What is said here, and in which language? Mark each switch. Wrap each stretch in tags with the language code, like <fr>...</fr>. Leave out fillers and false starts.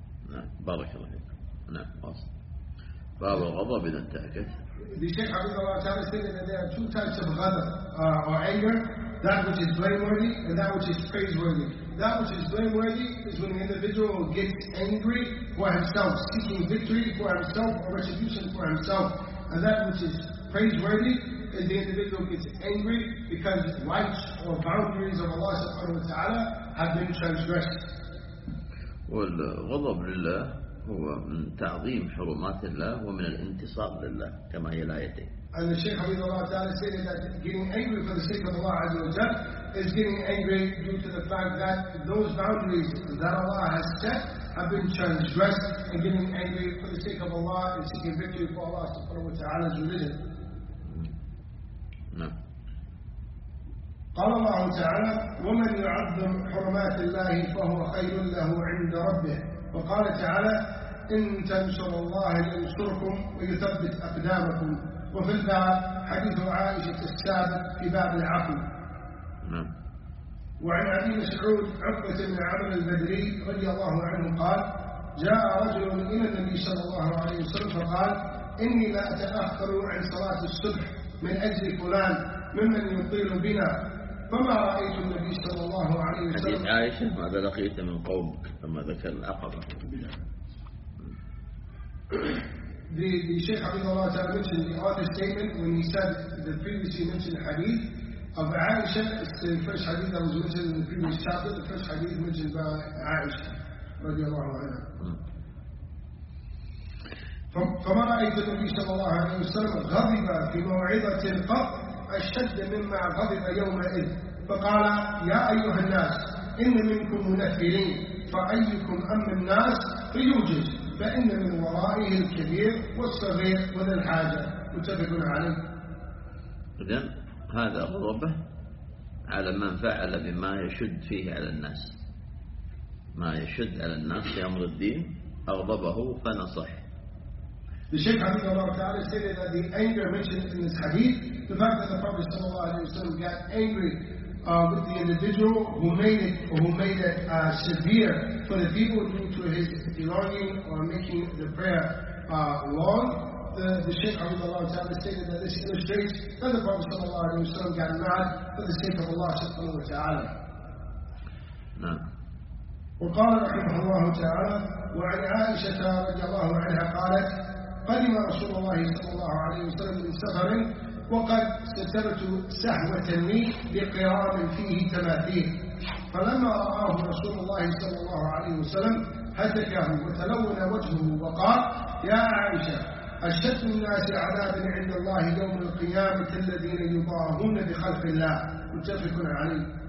<ar>نعم بارك الله فيك نعم واصل باب الغضب إذا انتهكت الشيخ عبد الله تعالى</ar> <en>said that there are two types of غضب or anger, that which is blameworthy and that which is praiseworthy. That which is blameworthy is when an individual gets angry for himself, seeking victory for himself or retribution for himself. And that which is praiseworthy is the individual gets angry because rights or boundaries of Allah subhanahu wa ta'ala have been transgressed.</en> <ar>Well, غضب لله هو من تعظيم حرمات الله ومن الانتصار لله كما هي الآيتين.</ar> <en>And the Shaykh Hafidhullah Ta'ala said that getting angry for the sake of Allah Azza wa Jalla is getting angry due to the fact that those boundaries that Allah has set have been transgressed, and getting angry for the sake of Allah is seeking victory for Allah subhanahu wa ta'ala's religion. No.</en> <ar>قال الله تعالى ومن يعظم حرمات الله فهو خير له عند ربه وقال تعالى إن تنصر الله ينصركم ويثبت أقدامكم وفي الباب حديث عائشة السابق في باب العقل وعن أبي مسعود عقبة بن عمرو البدري رضي الله عنه قال جاء رجل إلى النبي صلى الله عليه وسلم فقال إني لا أتأخر عن صلاة الصبح من أجل فلان ممن يطيل بنا فما رأيت النبي صلى الله عليه وسلم حديث عائشة ماذا لقيت من قومك لما ذكر العقبة</ar> <en>The Shaykh Hafidhullah Ta'ala mentioned the author's statement when he said the previously mentioned hadith of Aisha. It's the first hadith that was mentioned in the previous chapter, the first hadith mentioned by Aisha radiallahu anha.</en> <ar>فما رأيت النبي صلى الله عليه وسلم غضب في موعظة قط أشد مما غضب يومئذ فقال يا أيها الناس إن منكم منفرين فأيكم أم الناس فيوجد فإن من ورائه الكبير والصغير وذا الحاجة متفق عليه. إذن هذا غضبه على من فعل بما يشد فيه على الناس. ما يشد على الناس في أمر الدين أغضبه فنصح.</ar> <en>The Shaykh Hafidhullah Ta'ala stated that the anger mentioned in this hadith, the fact that the Prophet sallallahu alayhi wa sallam got angry with the individual who made it severe for the people due to his belonging or making the prayer long, the Shaykh Hafidhullah Ta'ala stated that this illustrates that the Prophet sallallahu alayhi wa sallam got mad for the sake of Allah subhanahu wa ta'ala. No.</en> <ar>وقال رحمه الله تعالى وعن عائشة رضي الله عنها قالت قدم رسول الله صلى الله عليه وسلم من سفر وقد سترت سهوة لي بقرام فيه تماثيل فلما رآه رسول الله صلى الله عليه وسلم هتكه وتلون وجهه وقال يا عائشة أشد الناس عذابا عند الله يوم القيامة الذين يضاهون بخلق الله متفق عليه.</ar>